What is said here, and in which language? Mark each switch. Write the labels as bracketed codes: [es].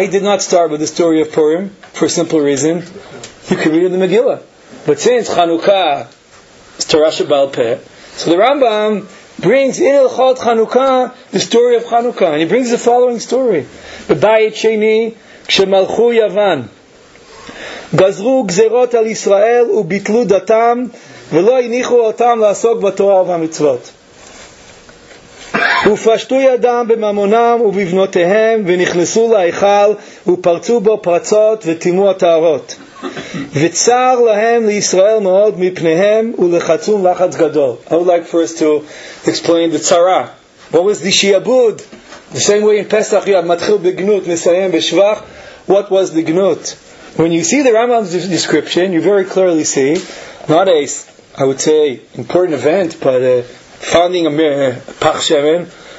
[en] He did not start with the story of Purim for a simple reason. You can read in the Megillah, but since Chanukah is Torah Shebaal Peh, so the Rambam brings in Hilchot Chanukah the story of Chanukah, and he brings the following story: B'bayit Sheni Kshemalchu Yavan Gazru Gzerot Al Yisrael Ubitlu Datam. [he] ולא הניחו אותם לעסוק בתורה ובמצוות. ופשטו ידם בממונם ובבנותיהם, ונכנסו להיכל, ופרצו בו פרצות וטימו הטהרות. וצר להם לישראל מאוד מפניהם, ולחצום לחץ גדול. [en] I would like first to explain the tzara. What was the shiabud? The same way in Pesach, you have [he] מתחיל בגנות, נסיים בשבח. [en] What was the gnut? When you see the Rambam's description, you very clearly see, not a, I would say, important event, but founding a Pach Shemen.